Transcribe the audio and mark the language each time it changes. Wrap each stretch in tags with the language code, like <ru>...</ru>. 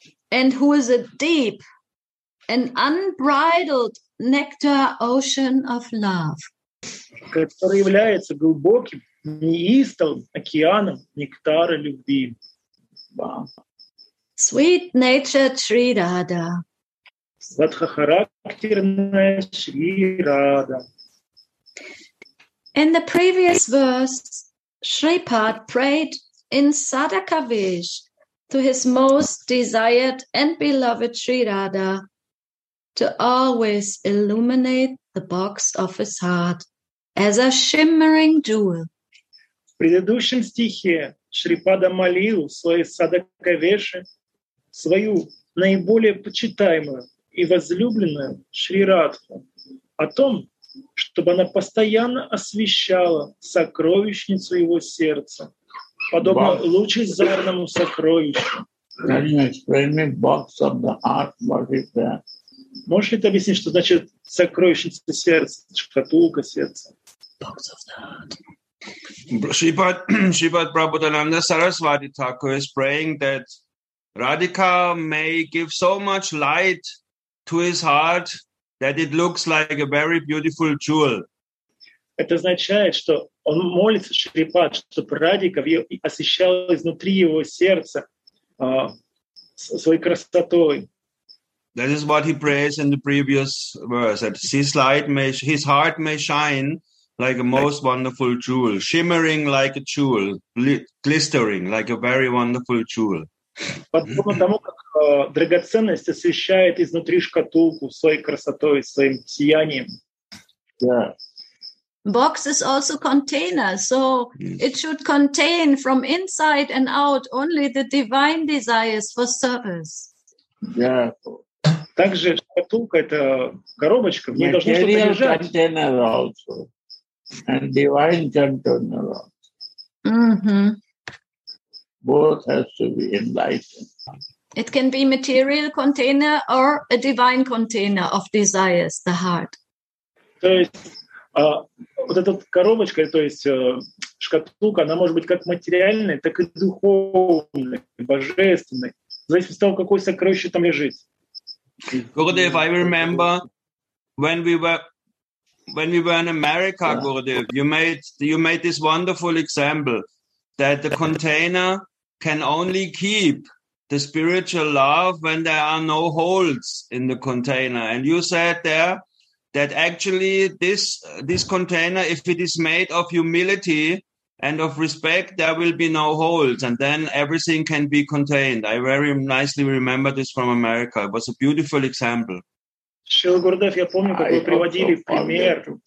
<en>And who is a deep and unbridled nectar ocean of love.</en> <ru>Который является глубоким, неистовым океаном нектара любви.</ru> <en>Sweet nature Shri Radha.</en> <ru>Сладкохарактерная Шри Радха.</ru> <en>In the previous verse, Shripad prayed in Sadakavish to his most desired and beloved Shri Radha to always illuminate the box of his heart as a shimmering jewel.</en> <ru>В предыдущем стихе Шрипада молил свои Садакавиши свою наиболее почитаемую и возлюбленную Шри Радху о том, чтобы она постоянно освещала сокровищницу его сердца, подобно лучезарному сокровищу. Можешь ли ты объяснить, что значит сокровищница сердца, шкатулка сердца?</ru> <en>Шрипад Прабхупада Сарасвати Тхакур is praying that Radhika may give so much light to his heart that it looks like a very beautiful jewel.</en> <ru>это означает, что он молится Шрипад, чтобы Радика освещал изнутри его сердца своей красотой.</ru> <en>That is what he prays in the previous verse, that his light may, his heart may shine like a most wonderful jewel, shimmering like a jewel, glistering like a very wonderful jewel.</en> <ru>Подобно тому, как драгоценность освещает изнутри шкатулку своей красотой, своим сиянием.</ru> <en>Box is also container, so it should contain from inside and out only the divine desires for service.</en> <ru>Также шкатулка — это коробочка, в ней должно что-то лежать.</ru> <en>Material container also, and divine container also. Both has to be enlightened. It can be material container or a divine container of desires, the heart.</en> <ru>То есть вот эта коробочка, то есть шкатулка, она может быть как материальной, так и духовной, божественной, в зависимости от того, какой сокровище там лежит.</ru> <en>Gurudev, I remember when we were in America, Gurudev, you made this wonderful example that the container can only keep the spiritual love when there are no holes in the container. And you said there that actually this container, if it is made of humility and of respect, there will be no holes, and then everything can be contained. I very nicely remember this from America. It was a beautiful example.</en> <ru>Шрила Гурудев, я помню, как вы приводили пример.</ru>